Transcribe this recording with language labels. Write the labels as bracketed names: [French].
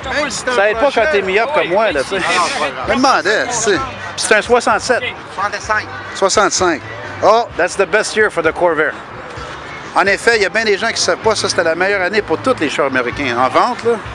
[French] Ça pas quand t'es mis up comme moi, là, t'sais. Même c'est un 65. [English] Oh, that's the best year for the Corvair. [French] En effet, il y a bien des gens qui ne savent pas, ça c'était la meilleure année pour tous les chars américains en vente, là.